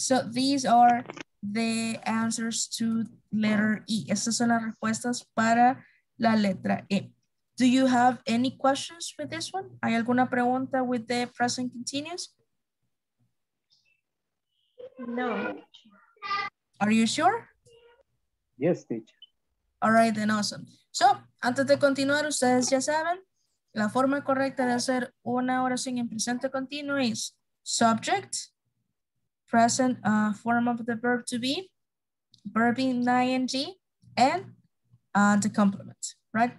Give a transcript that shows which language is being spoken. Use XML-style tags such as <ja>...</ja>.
<en>So these are the answers to letter E.</en> <es>Estas son las respuestas para la letra E.</es> <en>Do you have any questions with this one? ¿Hay alguna pregunta with the present continuous? No. Are you sure? Yes, teacher.</en> <es>All right, then awesome. So, antes de continuar, ustedes ya saben, la forma correcta de hacer una oración en presente continuo es subject, present form of the verb to be, verb in ing, and the complement. Right?</es>